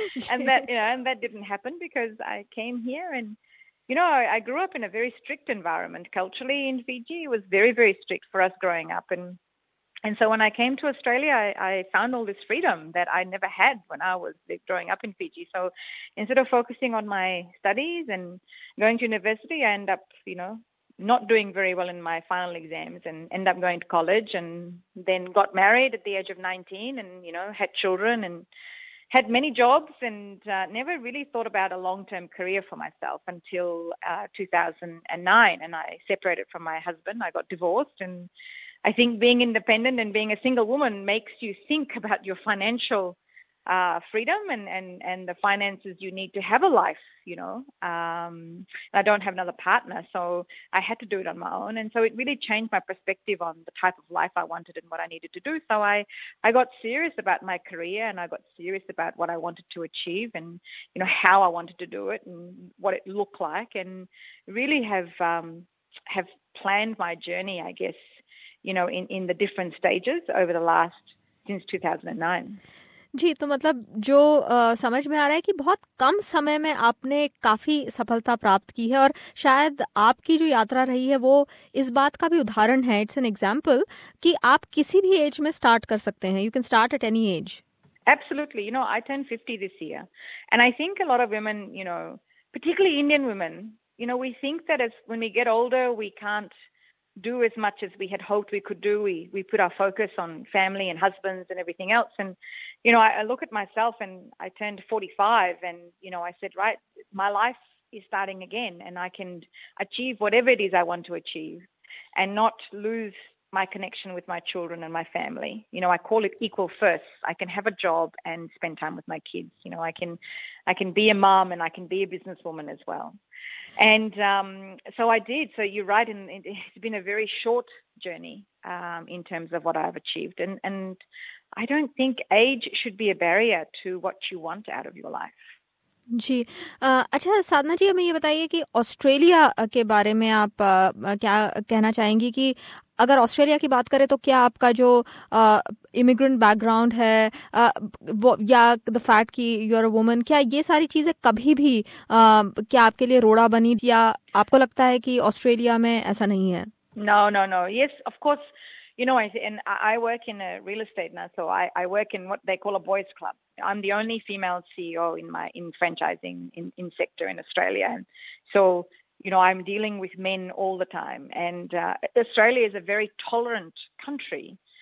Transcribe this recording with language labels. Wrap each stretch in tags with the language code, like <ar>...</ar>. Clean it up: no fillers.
<en>And that didn't happen because I came here and I grow up in a very strict environment culturally in Fiji, it was very very strict for us growing up, And so when I came to Australia, I found all this freedom that I never had when I was growing up in Fiji. So instead of focusing on my studies and going to university, I end up, not doing very well in my final exams and end up going to college, and then got married at the age of 19 and, had children and had many jobs, and never really thought about a long-term career for myself until 2009. And I separated from my husband. I got divorced, and I think being independent and being a single woman makes you think about your financial freedom and the finances you need to have a life, I don't have another partner, so I had to do it on my own. And so it really changed my perspective on the type of life I wanted and what I needed to do. So I got serious about my career, and I got serious about what I wanted to achieve and, how I wanted to do it and what it looked like, and really have planned my journey, I guess, in the different stages over the last since 2009.</en> <hi>जी, तो मतलब जो समझ में आ रहा है कि बहुत कम समय में आपने काफी सफलता प्राप्त की है, और शायद आपकी जो यात्रा रही है वो इस बात का भी उदाहरण है,</hi> <en>it's an example</en> <hi>कि आप किसी भी एज में स्टार्ट कर सकते हैं,</hi> <en>You can start at any age. Absolutely, I turn 50 this year, and I think a lot of women, particularly Indian women, we think that age when we get older we can't do as much as we had hoped we could do. We put our focus on family and husbands and everything else. And, I look at myself and I turned 45 and, I said, right, my life is starting again and I can achieve whatever it is I want to achieve and not lose my connection with my children and my family. You know, I call it equal first. I can have a job and spend time with my kids. You know, I can be a mom and I can be a businesswoman as well. And so I did. So you're right, and it's been a very short journey in terms of what I've achieved. And I don't think age should be a barrier to what you want out of your life.</en> <hi>जी अच्छा साधना जी, हमें ये बताइए कि Australia के बारे में आप क्या कहना चाहेंगी, कि अगर ऑस्ट्रेलिया की बात करें तो क्या आपका जो इमिग्रेंट बैकग्राउंड है या</hi> <en>the fact</en> <hi>कि</hi> <en>you are a woman,</en> <hi>क्या ये सारी चीजें कभी भी क्या आपके लिए रोड़ा बनी, या आपको लगता है कि ऑस्ट्रेलिया में ऐसा नहीं है?</hi> <en>No, yes of course. You know, I work in a real estate now, so I work in what they call a boys club. I'm the only female CEO in franchising sector in Australia. And so, you know, I'm dealing with men all the time. And Australia is a very tolerant country.</en>